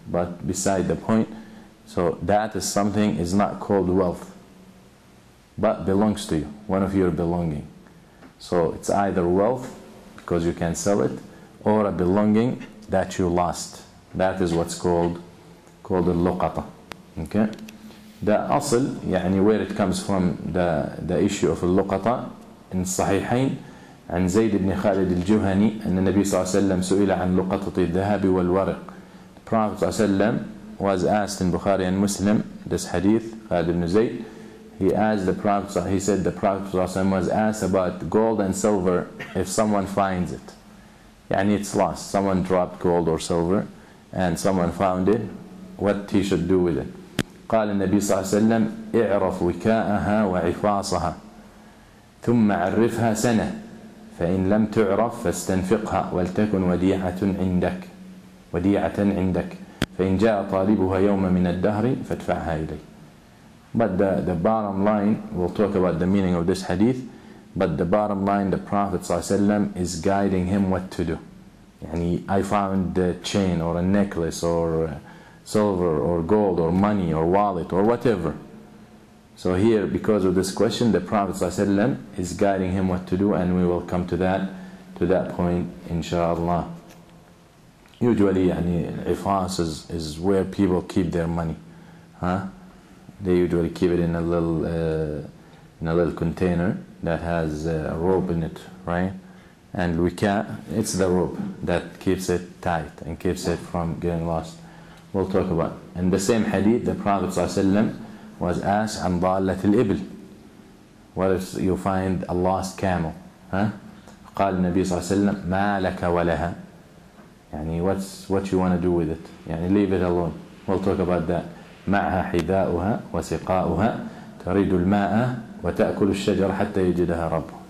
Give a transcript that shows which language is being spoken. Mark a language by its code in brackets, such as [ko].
[en] But beside the point, so that is something is not called wealth, but belongs to you, one of your belonging. So it's either wealth, because you can sell it, or a belonging that you lost. That is what's called اللقطة. Okay? [ar] The أصل, يعني [en] where it comes from, the issue of [ar] اللقطة, in الصحيحين, عن زيد بن خالد الجهني أن النبي صلى الله عليه وسلم سئل عن لقطة الذهب والورق. [en] The Prophet صلى الله عليه وسلم was asked in Bukhari and Muslim this hadith, خالد بن زيد, He asked the Prophet, he said the Prophet was asked about gold and silver if someone finds it. And it's lost. Someone dropped gold or silver and someone found it, what he should do with it. [ar] قال النبي صلى الله عليه وسلم اعرف وكاءها وعفاصها ثم عرفها سنة فإن لم تعرف فاستنفقها ولتكن وديعة عندك وديعة عندك فإن جاء طالبها يوم من الدهر فادفعها إليه. [en] But the bottom line, we'll talk about the meaning of this hadith, but the bottom line, the Prophet ﷺ is guiding him what to do. يعني, I found a chain or a necklace or silver or gold or money or wallet or whatever. So here, because of this question, the Prophet ﷺ is guiding him what to do, and we will come to that point, inshaAllah. Usually, يعني, ifas is where people keep their money. Huh? They usually keep it in a little container that has a rope in it, right? And it's the rope that keeps it tight and keeps it from getting lost. We'll talk about it. In the same hadith, the Prophet ﷺ was asked, عن ضالة الإبل. What if you find a lost camel? Huh? [ar] قال النبي صلى الله عليه وسلم, ما لك ولها. [en] يعني, what you want to do with it? يعني, leave it alone. We'll talk about that. [ar] معها حذاؤها وسقاؤها تريد الماء وتأكل الشجر حتى يجدها رب.